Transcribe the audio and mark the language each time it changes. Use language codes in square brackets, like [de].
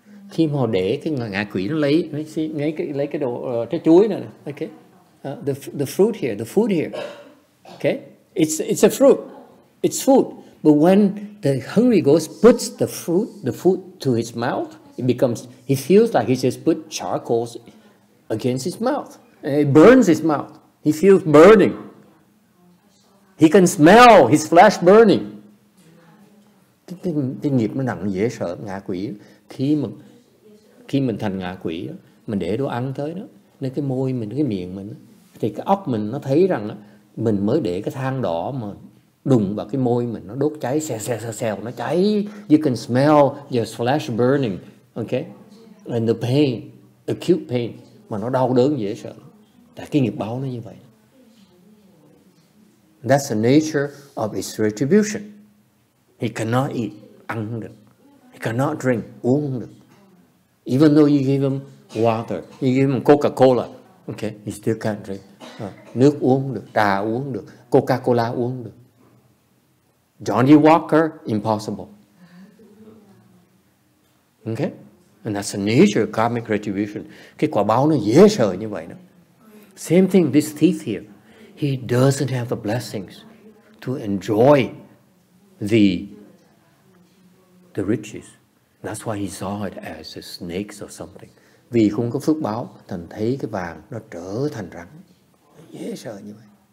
[vi] Khi mà để cái ngạ quỷ nó lấy cái đồ trái chuối này, okay, [en] the fruit here, okay, it's a fruit, it's food. But when the hungry ghost puts the food to his mouth, he feels like he just put charcoals against his mouth. It burns his mouth. He feels burning. He can smell his flesh burning. [vi] Cái nghiệp nó nặng dễ sợ, ngạ quỷ. Khi mình thành ngạ quỷ, mình để đồ ăn tới đó, nên cái môi mình, cái miệng mình, thì cái óc mình nó thấy rằng đó, mình mới để cái than đỏ mà đùng vào cái môi mình, nó đốt cháy, xèo, nó cháy. [en] You can smell your flesh burning, okay? And the pain, acute pain, [vi] mà nó đau đớn dễ sợ. Tại cái nghiệp báo nó như vậy. [en] That's the nature of its retribution. He cannot eat, [vi] ăn không được. [en] He cannot drink, [vi] uống không được. [en] Even though you give him water, you give him Coca-Cola, okay, he still can't drink. [vi] Nước uống không được, trà uống không được, Coca-Cola uống không được. [en] Johnny Walker, impossible. Okay? And that's the nature of karmic retribution. [vi] Cái quả báo nó dễ sợ như vậy đó. [en] Same thing, this thief here, he doesn't have the blessings to enjoy the riches. That's why he saw it as the snakes or something. [vi] vì không có phước báo, thành thấy cái vàng nó trở thành rắn. Dễ sợ như vậy.